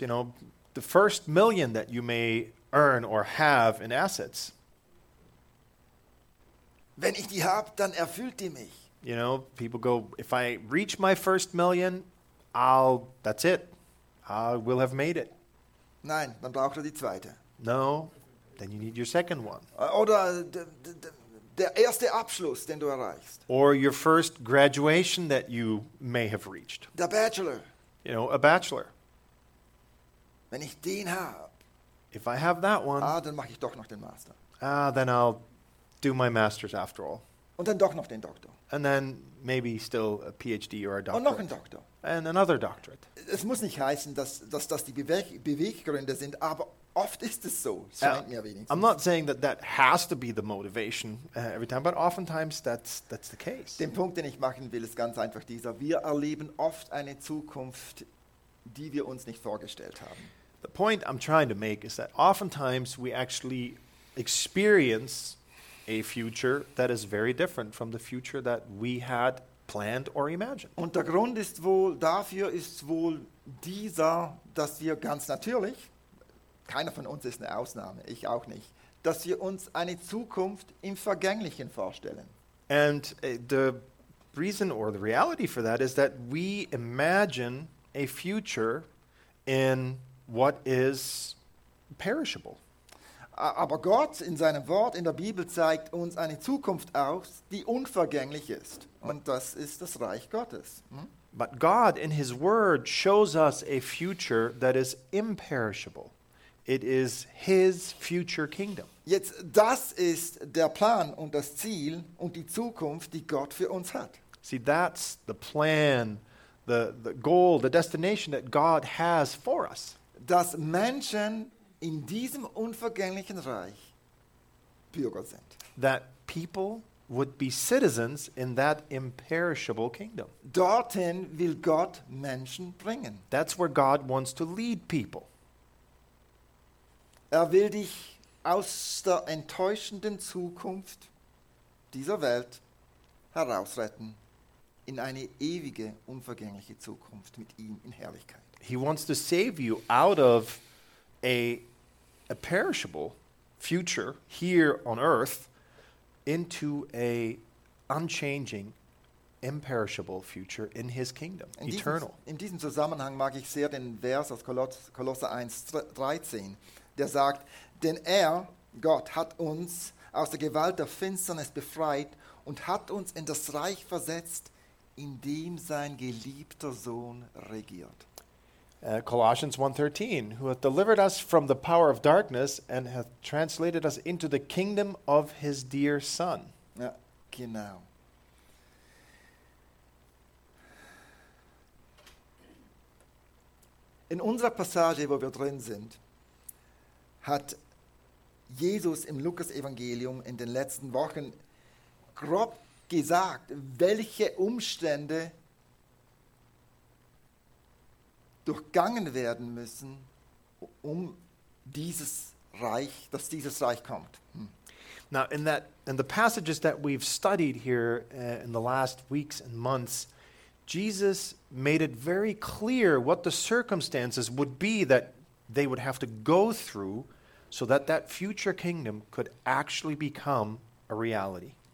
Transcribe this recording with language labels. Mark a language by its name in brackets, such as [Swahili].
[English] You know, the first million that you may earn or have in assets. [German] Wenn ich die habe, dann erfüllt die mich. [English] You know, people go, if I reach my first million, that's it. I will have made it. [German] Nein, dann braucht er die zweite. [English] No, then you need your second one. [German] Oder der erste Abschluss, den du erreichst. [English] Or your first graduation that you may have reached. [German] Der Bachelor. [English] You know, a bachelor. [German] Wenn ich den habe. [English] If I have that one. [German] Ah, dann mache ich doch noch den Master. [English] Ah, then I'll do my master's after all. [German] Und dann doch noch den Doktor. [English] And then maybe still a PhD or a doctorate. [German] Und noch ein Doktor. [English] And another doctorate. [German] Es muss nicht heißen, dass das die Beweggründe sind, aber oft ist es so. [English] I'm not saying that has to be the motivation every time, but oftentimes that's the case. [German] Den Punkt, den ich machen will, ist ganz einfach dieser. Wir erleben oft eine Zukunft, die wir uns nicht vorgestellt haben. [English] The point I'm trying to make is that oftentimes we actually experience a future that is very different from the future that we had planned or imagined. [German] Und der Grund ist wohl, dafür ist wohl dieser, dass wir ganz natürlich, keiner von uns ist eine Ausnahme, ich auch nicht, dass wir uns eine Zukunft im Vergänglichen vorstellen. [English] And the reason or the reality for that is that we imagine a future in what is perishable. [German] Aber Gott in seinem Wort in der Bibel zeigt uns eine Zukunft aus, die unvergänglich ist. Und das ist das Reich Gottes. [English] But God in his word shows us a future that is imperishable. It is his future kingdom. [German] Jetzt, das ist der Plan und das Ziel und die Zukunft, die Gott für uns hat. [English] See, that's the plan, the goal, the destination that God has for us. [German] Dass Menschen in diesem unvergänglichen Reich Bürger sind. [English] That people would be citizens in that imperishable kingdom. [German] Dorthin will Gott Menschen bringen. [English] That's where God wants to lead people. [German] Er will dich aus der enttäuschenden Zukunft dieser Welt herausretten in eine ewige, unvergängliche Zukunft mit ihm in Herrlichkeit. [English] He wants to save you out of a perishable future here on earth into a unchanging imperishable future in his kingdom, eternal. [German] In diesem Zusammenhang mag ich sehr den Vers aus Kolosser 1, 13, der sagt, denn er, Gott, hat uns aus der Gewalt der Finsternis befreit und hat uns in das Reich versetzt, in dem sein geliebter Sohn regiert. [English] Colossians 1:13, who hath delivered us from the power of darkness and hath translated us into the kingdom of his dear Son. [German] Ja, genau. In unserer Passage, wo wir drin sind, hat Jesus im Lukas-Evangelium in den letzten Wochen grob gesagt, welche Umstände durchgangen werden müssen, um dieses Reich, dass dieses Reich kommt. [English] Now, in the passages that we've studied here in the last weeks and months, Jesus made it very clear what the circumstances would be that they would have to go through so that that future kingdom could actually become a reality.